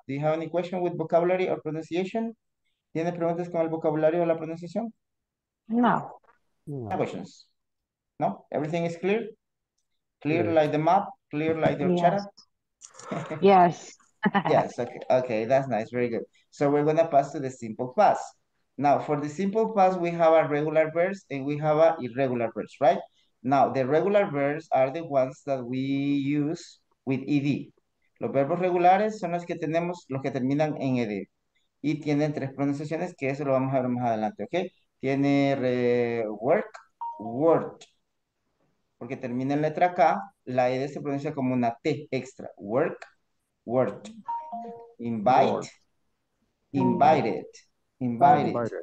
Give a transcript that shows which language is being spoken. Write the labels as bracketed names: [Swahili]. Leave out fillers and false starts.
[English] Do you have any question with vocabulary or pronunciation? [Spanish] ¿Tiene preguntas con el vocabulario o la pronunciación? No. [English] No questions. No? Everything is clear? Clear like the map? Clear like your chat? Yes. Yes, okay, that's nice, very good. So we're gonna pass to the simple past. Now, for the simple past, we have a regular verbs and we have a irregular verbs, right? Now, the regular verbs are the ones that we use with ED. [Spanish] Los verbos regulares son los que tenemos, los que terminan en ED. Y tienen tres pronunciaciones, que eso lo vamos a ver más adelante, ¿ok? Tiene [English] work, word. [Spanish] Porque termina en letra K, la ED se pronuncia como una T extra. [English] Work, word. Invite, invited, invited.